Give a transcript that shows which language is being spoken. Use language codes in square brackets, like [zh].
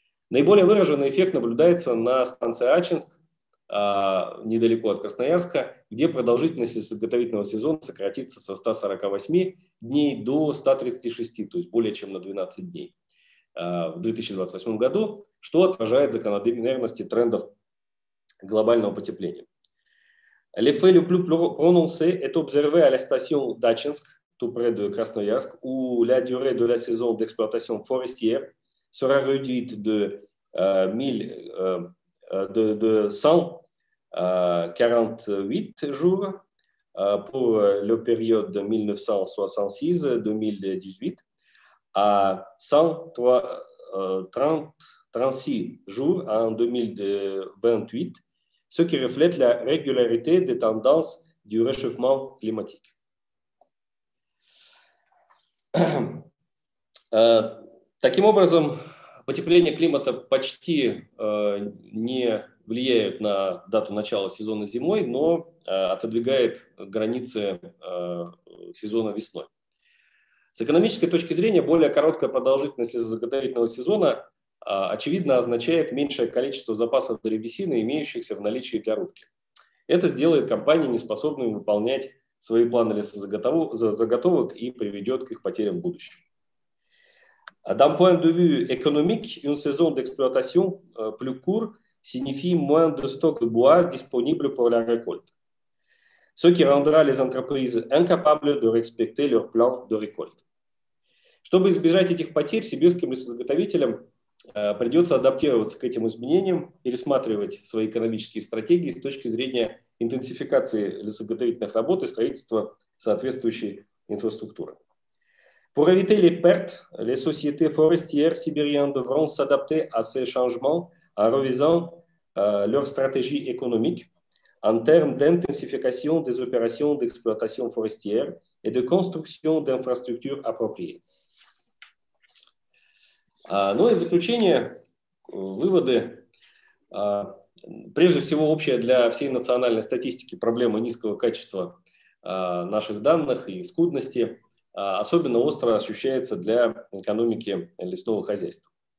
[ru] Наиболее выраженный эффект наблюдается на станции Ачинск, недалеко от Красноярска, где продолжительность заготовительного сезона сократится со 148 дней до 136, то есть более чем на 12 дней в 2028 году, что отражает закономерности трендов глобального потепления. [fr] L'effet le plus prononcé est observé à la station d'Achinsk, tout près de Krasnoyarsk, où la durée de la saison d'exploitation forestière sera réduite de 148 jours pour la période 1966-2018 à 136 jours en 2028. Ce qui reflète la régularité des tendances du réchauffement climatique. [ru] Таким образом, потепление климата почти не влияет на дату начала сезона зимой, но отодвигает границы сезона весной. С экономической точки зрения, более короткая продолжительность заготовительного сезона очевидно, означает меньшее количество запасов древесины, имеющихся в наличии для рубки. Это сделает компании неспособными выполнять свои планы лесозаготовок и приведет к их потерям в будущем. [fr] D'un point de vue économique, une saison d'exploitation plus courte signifie moins de stock de bois disponible pour la récolte, ce qui rendra les entreprises incapables de respecter leur plan de récolte. [ru] Чтобы избежать этих потерь, сибирским лесозаготовителям придется адаптироваться к этим изменениям, пересматривать свои экономические стратегии с точки зрения интенсификации лесозаготовительных работ и строительства соответствующей инфраструктуры. [fr] Pour éviter les pertes, les sociétés forestières sibériennes devront s'adapter à ces changements en revisant leur stratégie économique en termes d'intensification des opérations d'exploitation forestière et de construction d'infrастructures appropriées. [ru] Ну и в заключение, выводы. Прежде всего, общая для всей национальной статистики проблема низкого качества наших данных и скудности особенно остро ощущается для экономики лесного хозяйства.